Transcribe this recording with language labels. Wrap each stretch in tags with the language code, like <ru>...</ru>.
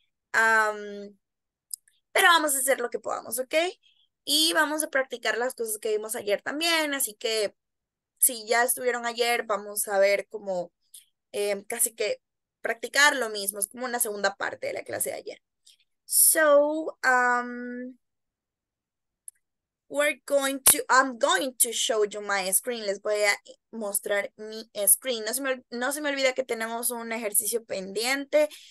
<es>Pero vamos a hacer lo que podamos, ¿ok? Y vamos a practicar las cosas que vimos ayer también. Así que si ya estuvieron ayer, vamos a ver cómo casi que practicar lo mismo. Es como una segunda parte de la clase de ayer.</es> <en>So, we're going to, I'm going to show you my screen.</en> <es>Les voy a mostrar mi screen. No se me olvida que tenemos un ejercicio pendiente.</es>